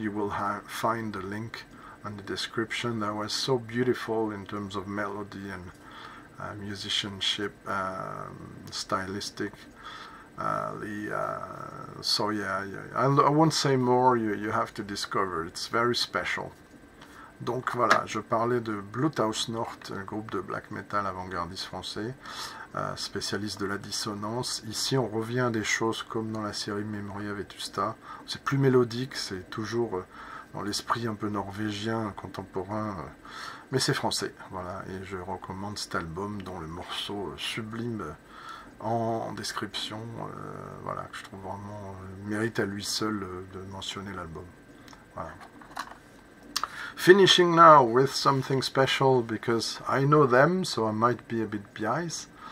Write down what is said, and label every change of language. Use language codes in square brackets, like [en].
[en] You will find the link in the description that was so beautiful in terms of melody and musicianship, stylistic. I won't say more, you have to discover, it's very special. [fr] Donc voilà, je parlais de Blut aus Nord, un groupe de black metal avant-gardiste français, spécialiste de la dissonance. Ici on revient à des choses comme dans la série Memoria Vetusta, c'est plus mélodique, c'est toujours dans l'esprit un peu norvégien, contemporain, mais c'est français, voilà, et je recommande cet album dont le morceau sublime en description, voilà, que je trouve vraiment mérite à lui seul de mentionner l'album. Voilà. [en] Finishing now with something special because I know them, so I might be a bit biased.